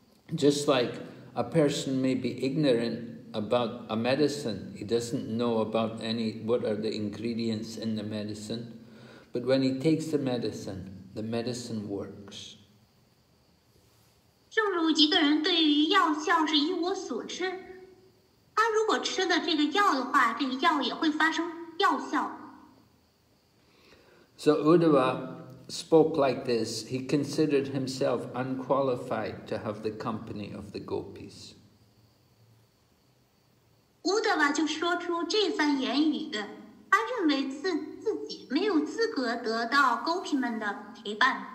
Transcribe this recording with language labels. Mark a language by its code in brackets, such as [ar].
[en] Just like a person may be ignorant about a medicine, he doesn't know about any what are the ingredients in the medicine, but when he takes the medicine works. [zh] 正如一个人对于药效是一无所知，他如果吃了这个药的话，这个药也会发生药效。 [en] So Uddhava spoke like this. He considered himself unqualified to have the company of the gopis. [zh] Uddhava 就说出这番言语，他认为自己没有资格得到高品们的陪伴。